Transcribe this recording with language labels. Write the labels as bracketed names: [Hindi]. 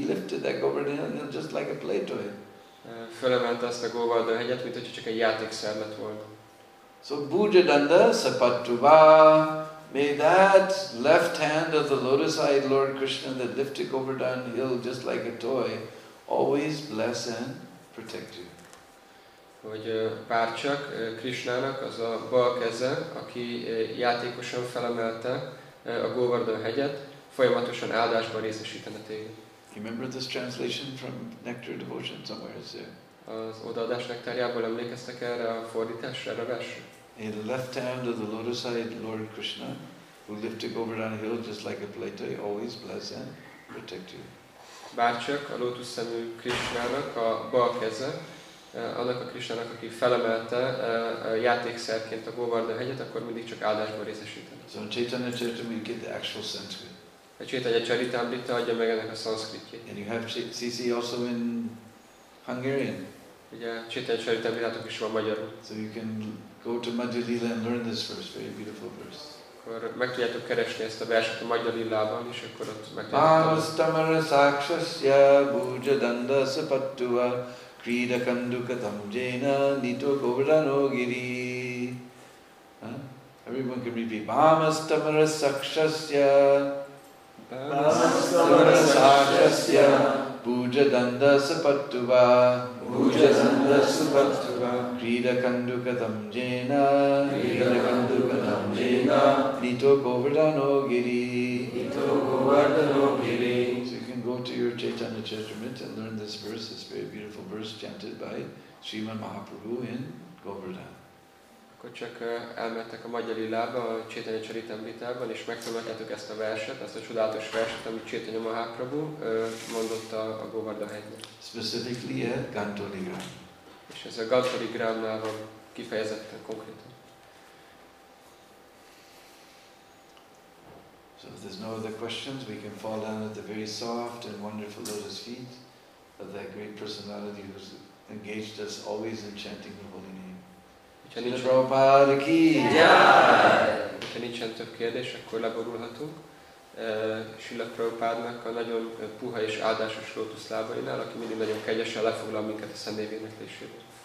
[English] He lifted that govardhan hill just like a play toy. [Hungarian] Fölemelte azt a Govardhan hegyet, mint hogyha csak egy játékszer lett volna. [English] So [Sanskrit] bhuja danda sapattuva, [English] may that left hand of the lotus-eyed Lord Krishna that lifted Govardhan hill just like a toy always bless and protect you. [Hungarian] Hogy bárcsak Krishnának az a bal keze, aki játékosan felemelte a Govardhan hegyet, folyamatosan áldásban részesítene téged. [English] Remember this translation from Nectar Devotion somewhere is there. [Hungarian] Az odaadás nektárjából emlékeztek erre a fordításra, erre a versre? [English] In the left hand of the lotus-eyed Lord Krishna, who lifted Govardhan hill just like a play toy, always bless and protect you. [Hungarian] Bárcsak a lótuszszemű Krishnának a bal keze, annak a Krishnának, aki felemelte játékszerként a Govardhan hegyet, akkor mindig csak áldásban részesített. [English] So Chaitanya Charitamrita gives the actual Sanskrit. [Hungarian] A Chaitanya Charitamrita adja meg ennek a szanszkritjét. [English] And you have CC also in Hungarian. [Hungarian] Ugye Chaitanya Charitamritának is van magyarul. [English] So you can go to Madhulila and learn this verse, very beautiful verse. [Hungarian] Akkor meg tudjátok keresni ezt a verset a Madhulilában, és akkor ott meg tudjátok. [Sanskrit] Vámasztamara sakshasya bhuja dandasa pattuva krida kandukatam jena nito govardhano giri. [English] Everyone can repeat. [Sanskrit] Vámasztamara sakshasya. Vámasztamara sakshasya bhuja dandasa pattuva. Bhuja dandasa pattuva. Krida kandukatam jena. Krida kandukatam jena. Nito govardhano giri. Nito govardhano giri. [English] Go to your Chaitanya Charitamrita and learn this verse, this very beautiful verse chanted by Sriman Mahaprabhu in Govardhan. [Hungarian] Akkor csak elmentek a Madhulilába, a Chaitanya Charitamritában, és megtanultátok ezt a verset, ezt a csodálatos verset, amit Chaitanya Mahaprabhu mondott a Govardhan hegynek. [English] Specifically a Gantoligram. [Hungarian] És ez a Gantoligramnál van kifejezetten konkrétan. [English] So if there's no other questions, we can fall down at the very soft and wonderful lotus feet of that great personality who's engaged us always in chanting the holy name. [Sanskrit] Srila Prabhupada ki jai! [Hungarian] Ha nincsen több kérdés, akkor leborulhatunk. Srila Prabhupádnak a nagyon puha és áldásos lótusz lábainál, aki mindig nagyon kegyesen lefoglal minket a személyi éneklésében.